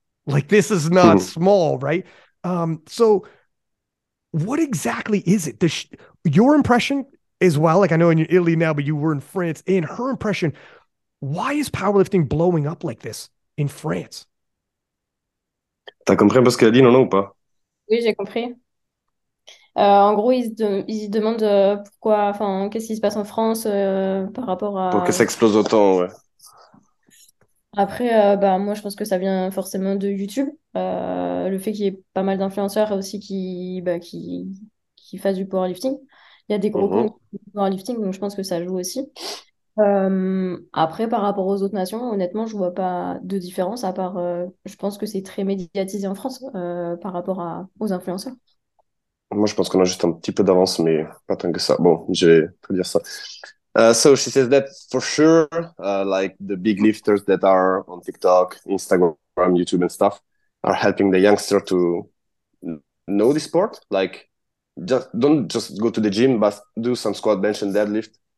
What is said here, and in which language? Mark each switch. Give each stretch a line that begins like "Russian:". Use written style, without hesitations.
English: Like, this is not small, right? So what exactly is it? Your impression as well, like I know in Italy now, but you were in France, and her impression, why is powerlifting blowing up like this in France?
French: T'as compris un peu ce qu'elle a dit, non, ou pas? Oui, j'ai compris. En gros, ils se demandent pourquoi, enfin, qu'est-ce qui se passe en France par rapport Pour que à. ça explose autant, ouais. Après, bah, moi, je pense que ça vient forcément de YouTube. Le fait qu'il y ait pas mal d'influenceurs aussi qui fassent du powerlifting. Il y a des gros comptes du powerlifting, donc je pense que ça joue aussi. Après, par rapport aux autres nations, honnêtement, je vois pas de différence à part, je pense que c'est très médiatisé en France, par rapport aux influenceurs. Moi, je pense qu'on a juste un petit peu d'avance, mais pas tant que ça. Bon, je vais te dire ça.
English: So she says that for sure, like the big lifters that are on TikTok, Instagram, YouTube, and stuff are helping the youngster to know the sport. Like, don't just go to the gym, but do some squat, bench, and deadlift.